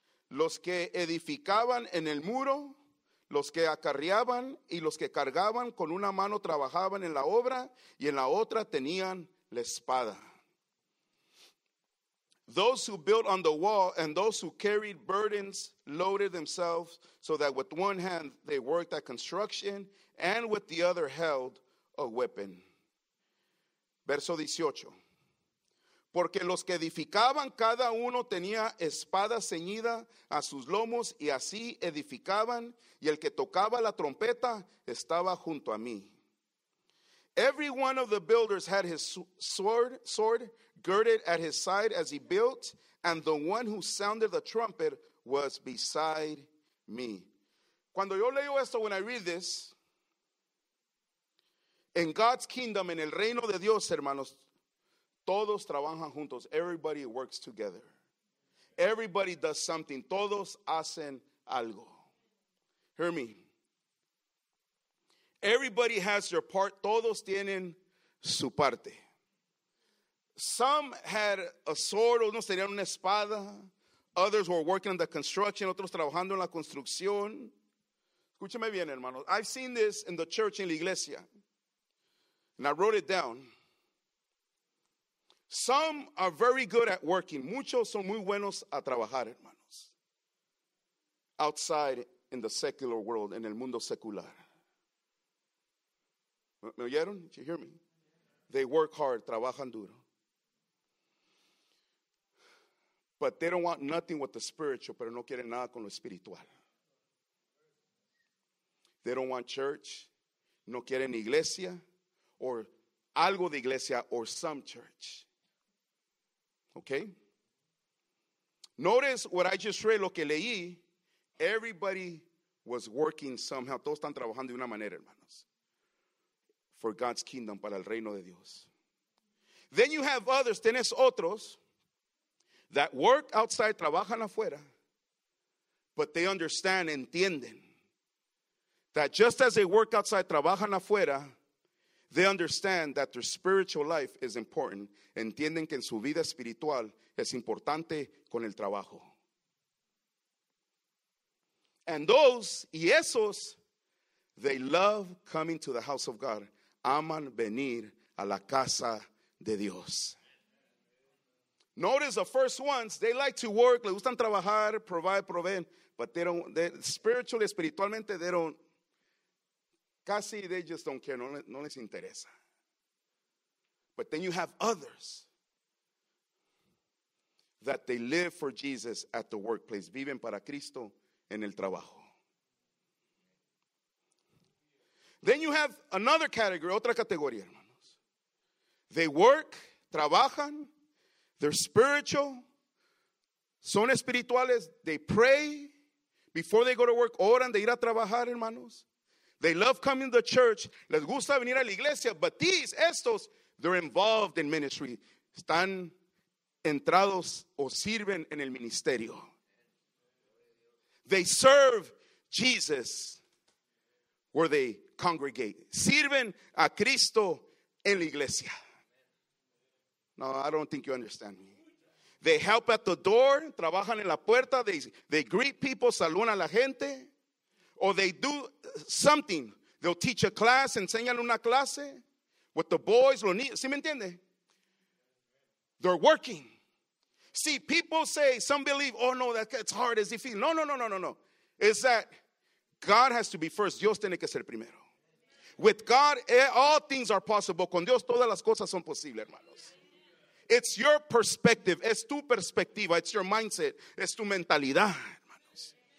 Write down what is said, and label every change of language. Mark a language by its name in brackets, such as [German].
[Spanish] Los que edificaban en el muro, los que acarreaban y los que cargaban con una mano trabajaban en la obra y en la otra tenían la espada. [English] Those who built on the wall and those who carried burdens loaded themselves so that with one hand they worked at construction and with the other held a weapon. [Spanish] Verso 18. Porque los que edificaban cada uno tenía espada ceñida a sus lomos y así edificaban y el que tocaba la trompeta estaba junto a mí. [English] Every one of the builders had his sword girded at his side as he built and the one who sounded the trumpet was beside me. [Spanish] Cuando yo leo esto, [English] when I read this, in God's kingdom, [Spanish] en el reino de Dios, hermanos, todos trabajan juntos. [English] Everybody works together. Everybody does something. [Spanish] Todos hacen algo. [English] Hear me. Everybody has their part. [Spanish] Todos tienen su parte. [English] Some had a sword. [Spanish] Unos tenían una espada. [English] Others were working on the construction. [Spanish] Otros trabajando en la construcción. Escúcheme bien, hermanos. [English] I've seen this in the church, in [Spanish] la iglesia. [English] And I wrote it down. Some are very good at working. [Spanish] Muchos son muy buenos a trabajar, hermanos. [English] Outside in the secular world, [Spanish] en el mundo secular. ¿Me oyeron? [English] Did you hear me? They work hard, [Spanish] trabajan duro. [English] But they don't want nothing with the spiritual, [Spanish] pero no quieren nada con lo espiritual. [English] They don't want church, [Spanish] no quieren iglesia, [English] or [Spanish] algo de iglesia, [English] or some church. Okay. Notice what I just read, [Spanish] lo que leí. [English] Everybody was working somehow. [Spanish] Todos están trabajando de una manera, hermanos. [English] For God's kingdom, [Spanish] para el reino de Dios. [English] Then you have others. [Spanish] Tienes otros [English] that work outside, [Spanish] trabajan afuera. [English] But they understand, [Spanish] entienden. [English] That just as they work outside, [Spanish] trabajan afuera. [English] They understand that their spiritual life is important. [Spanish] Entienden que en su vida espiritual es importante con el trabajo. [English] And those, [Spanish] y esos, [English] they love coming to the house of God. [Spanish] Aman venir a la casa de Dios. [English] Notice the first ones, they like to work, [Spanish] le gustan trabajar, [English] provide, [Spanish] proveen, [English] but they don't, [Spanish] espiritualmente, [English] they don't. Casi, they just don't care, [Spanish] no les interesa. [English] But then you have others that they live for Jesus at the workplace. [Spanish] Viven para Cristo en el trabajo. [English] Then you have another category, [Spanish] otra categoría, hermanos. [English] They work, [Spanish] trabajan, [English] they're spiritual, [Spanish] son espirituales, [English] they pray before they go to work, [Spanish] oran de ir a trabajar, hermanos. [English] They love coming to church. [Spanish] Les gusta venir a la iglesia. [English] But these, estos, they're involved in ministry. [Spanish] Están entrados o sirven en el ministerio. [English] They serve Jesus where they congregate. [Spanish] Sirven a Cristo en la iglesia. [English] No, I don't think you understand me. They help at the door. [Spanish] Trabajan en la puerta. [English] They greet people. [Spanish] Saludan a la gente. [English] Or they do something. They'll teach a class, [Spanish] enseñan una clase [English] with the boys. [Spanish] ¿Sí me entiende? [English] They're working. See, people say, some believe, oh no, that's hard, it's difficult. No. It's that God has to be first. [Spanish] Dios tiene que ser primero. [English] With God, all things are possible. [Spanish] Con Dios, todas las cosas son posibles, hermanos. [English] It's your perspective. [Spanish] Es tu perspectiva. [English] It's your mindset. [Spanish] Es tu mentalidad, hermanos.